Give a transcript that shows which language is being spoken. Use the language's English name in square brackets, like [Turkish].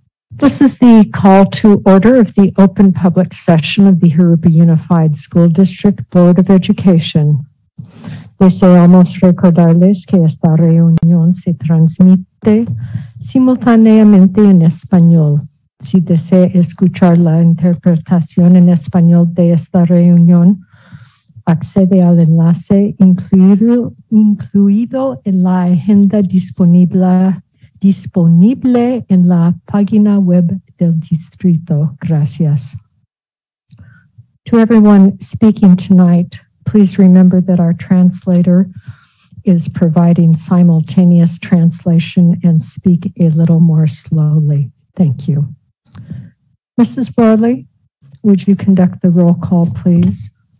[English] This is the call to order of the open public session of the Jurupa Unified School District Board of Education. [Spanish] Deseamos recordarles que esta reunión se transmite simultáneamente en español. Si desea escuchar la interpretación en español de esta reunión, accede al enlace incluido en la agenda disponible en la página web del distrito. Gracias. [English] To everyone speaking tonight, please remember that our translator is providing simultaneous translation and speak a little more slowly. Thank you. Mrs. Borley, would you conduct the roll call, please?